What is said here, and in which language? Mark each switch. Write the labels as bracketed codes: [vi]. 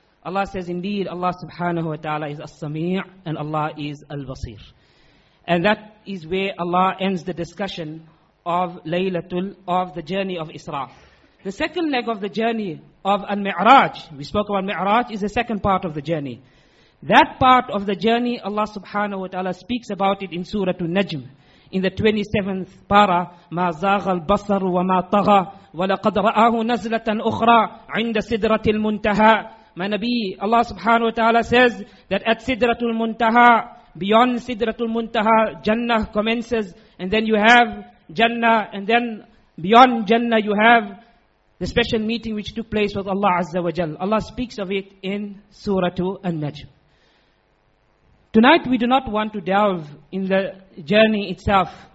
[en] Allah says, indeed, Allah subhanahu wa ta'ala is as-sami' and Allah is al-basir. And that is where Allah ends the discussion of Laylatul, of the journey of Isra. The second leg of the journey of al-mi'raj, we spoke about mi'raj, is the second part of the journey. That part of the journey, Allah subhanahu wa ta'ala speaks about it in Surah Al-Najm. In the 27th para, [ar] مَا زَاغَ الْبَصَرُ وَمَا طَغَى وَلَقَدْ رَآهُ نَزْلَةً أُخْرَى عِنْدَ سِدْرَةِ الْمُنْتَهَى. [en] My Nabi, Allah subhanahu wa ta'ala says that at Sidratul Muntaha, beyond Sidratul Muntaha, Jannah commences, and then you have Jannah, and then beyond Jannah you have the special meeting which took place with Allah Azza wa Jal. Allah speaks of it in Surah An-Najm. Tonight we do not want to delve in the journey itself.